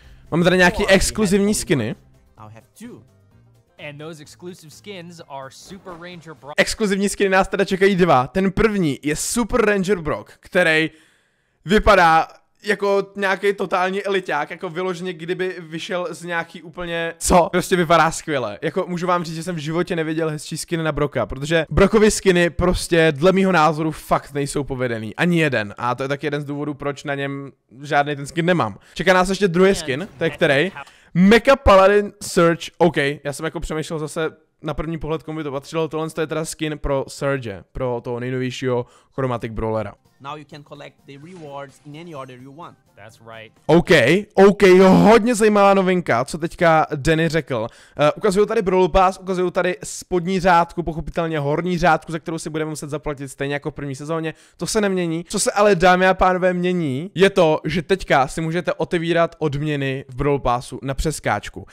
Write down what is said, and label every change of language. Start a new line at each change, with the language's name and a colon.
Czech: Máme tady nějaký exkluzivní skiny.
English: And those exclusive skins are Super Ranger Brock.
Czech: Exkluzivní skiny nás teda čekají dva. Ten první je Super Ranger Brock, který vypadá jako nějaký totální eliťák, jako vyloženě, kdyby vyšel z nějaký úplně co? Prostě vypadá skvěle. Jako můžu vám říct, že jsem v životě neviděl hezčí skiny na Brocka, protože Brockovy skiny prostě dle mýho názoru fakt nejsou povedený. Ani jeden. A to je taky jeden z důvodů, proč na něm žádný ten skin nemám. Čeká nás ještě druhý skin, to je který. Mecha Paladin Surge, ok, já jsem jako přemýšlel zase na první pohled, komu by to patřilo, tohle je teda skin pro Surge, pro toho nejnovějšího Chromatic Brawlera.
English: Now you can collect the rewards in any order you want. That's right.
Czech: Ok, jo, hodně zajímavá novinka, co teďka Danny řekl. Ukazuju tady Brawl Pass, ukazuju tady spodní řádku, pochopitelně horní řádku, za kterou si budeme muset zaplatit stejně jako v první sezóně. To se nemění. Co se ale, dámy a pánové, mění, je to, že teďka si můžete otevírat odměny v Brawl Passu na přeskáčku.